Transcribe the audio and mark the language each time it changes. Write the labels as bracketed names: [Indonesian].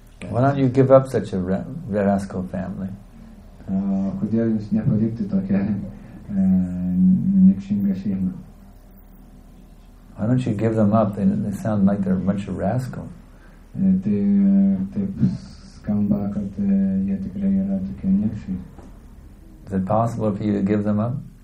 [English] Why don't you give up such a rascal family? [Lithuanian] Kodėl jūs nepalikti tokią niekšingą šeimą? [English] Why don't you give them up? They sound like they're a bunch of rascal. [Lithuanian] Skamba, kad jie tikrai yra tokie niekšai. [English] Is it possible for you to give them up?